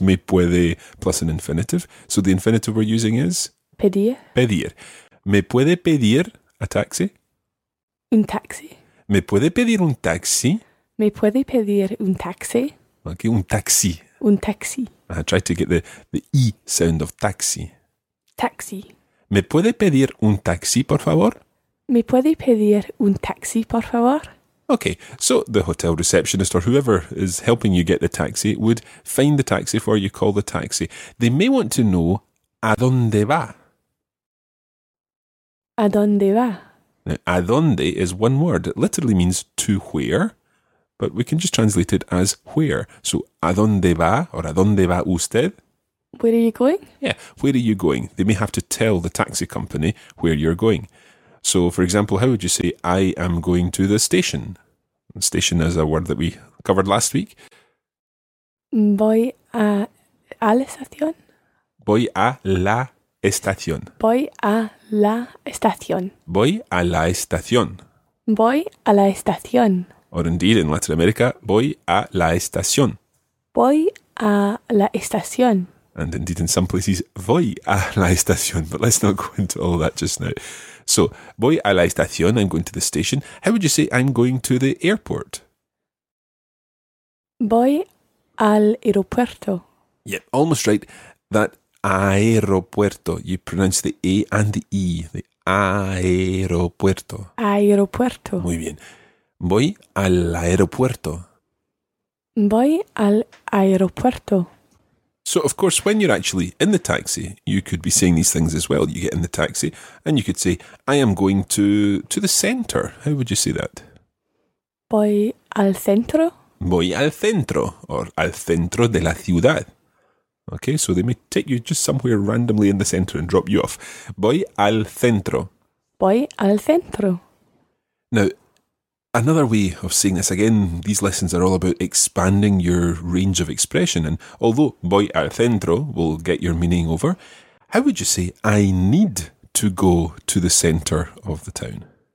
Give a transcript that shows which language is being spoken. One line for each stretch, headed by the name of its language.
Spanish: Me puede
English: plus an infinitive. So the infinitive we're using is?
Spanish: Pedir. Pedir. Me puede pedir a taxi? Un taxi. Me puede pedir un taxi? Me puede pedir un taxi. Okay, un taxi. Un taxi.
English: I tried to get the E sound of taxi.
Spanish: Taxi. Me puede pedir un taxi, por favor? ¿Me puede pedir un taxi, por favor?
English: Okay, so the hotel receptionist or whoever is helping you get the taxi would find the taxi for you, call the taxi. They may want to know,
Spanish: ¿a dónde va? ¿A dónde va?
English: Now, ¿a dónde is one word? It literally means to where, but we can just translate it as where.
Spanish: So, ¿a dónde va? Or, ¿a dónde va usted?
English: Where are you going? Yeah, where are you going? They may have to tell the taxi company where you're going. So, for example, how would you say, I am going to the station? Station is a word that we covered last week.
Spanish: Voy a la estación. Voy a la estación. Voy a la estación. Voy a la estación. Voy a la estación.
English: Or indeed, in Latin America,
Spanish: voy a la estación. Voy a la estación.
English: And indeed, in some places,
Spanish: voy a la estación.
English: But let's not go into all that just now. So,
Spanish: voy a la estación,
English: I'm going to the station. How would you say I'm going to the airport?
Spanish: Voy al aeropuerto.
English: Yeah, almost right. That aeropuerto, you pronounce the A and the E.
Spanish: The aeropuerto. Aeropuerto. Muy bien. Voy al aeropuerto. Voy al aeropuerto.
English: So, of course, when you're actually in the taxi, you could be saying these things as well. You get in the taxi and you could say, I am going to the centre. How would you say that?
Spanish: Voy al centro. Voy al centro, or al centro de la ciudad.
English: Okay, so they may take you just somewhere randomly in the centre and drop you off.
Spanish: Voy al centro. Voy al centro.
English: Now, another way of saying this, again, these lessons are all about expanding your range of expression. And although
Spanish: voy al centro
English: will get your meaning over, how would you say I need to go to the center of the town?